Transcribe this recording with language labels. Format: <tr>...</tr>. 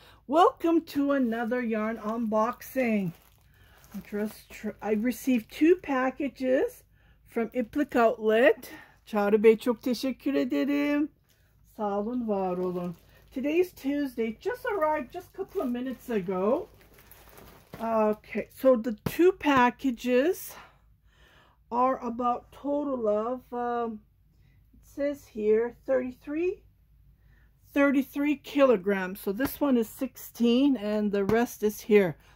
<en>Welcome to another yarn unboxing. I received two packages from iplikoutlet.</en> <tr>Çağrı Bey, çok teşekkür ederim. Sağ olun, var olun.</tr> <en>Today's Tuesday. Just arrived just a couple of minutes ago. Okay, so the two packages are about total of, it says here 33 kilograms. So this one is 16 and the rest is here.</en>